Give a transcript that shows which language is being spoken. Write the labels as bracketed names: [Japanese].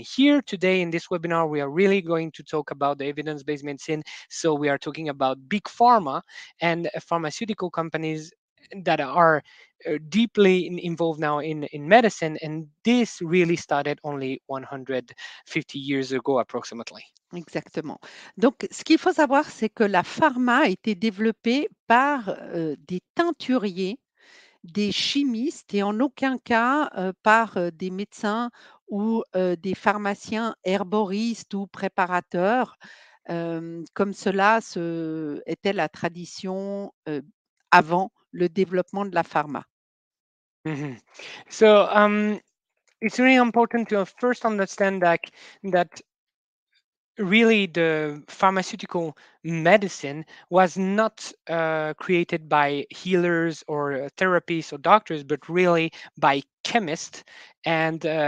[English] Here today in this webinar, we are really going to talk about the evidence-based medicine. So we are talking about big pharma and pharmaceutical companies that are deeply involved now in medicine, and this really started only 150 years ago approximately. [French] Exactement. Donc, ce qu'il faut savoir, c'est que la pharma a été développée par des teinturiers, des chimistes, et en aucun cas par des médecins ou des pharmaciens herboristes ou préparateurs, comme cela était la tradition avant le développement de la pharma. Mm-hmm. [English] So it's really important to first understand that really the pharmaceutical medicine was not created by healers or therapists or doctors, but really by chemists and